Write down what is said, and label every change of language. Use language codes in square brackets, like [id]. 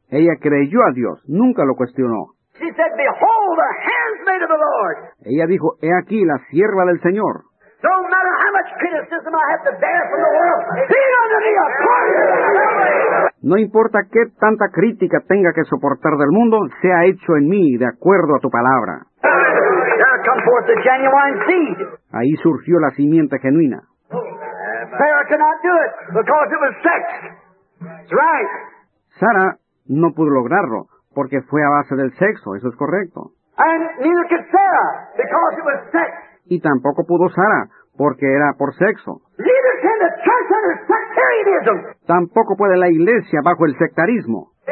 [es] Ella creyó a Dios, nunca lo cuestionó. [en] She said, "Behold, the handmaid of the Lord." [es] Ella dijo, "He aquí la sierva del Señor." [en] No matter how much criticism I have to bear from the world, he's going to be a part of the family. [es] No importa qué tanta crítica tenga que soportar del mundo, sea hecho en mí de acuerdo a tu palabra. [en] There come forth the genuine seed. [es] Ahí surgió la simiente genuina. [en] Sarah cannot do it because it was sex. That's right. [es] Sara no pudo lograrlo porque fue a base del sexo. Eso es correcto. [en] And neither could Sarah because it was sex. [es] Y tampoco pudo Sara, porque era por sexo. [en] Neither can the church under sectarianism. [es] Tampoco puede la iglesia bajo el sectarismo.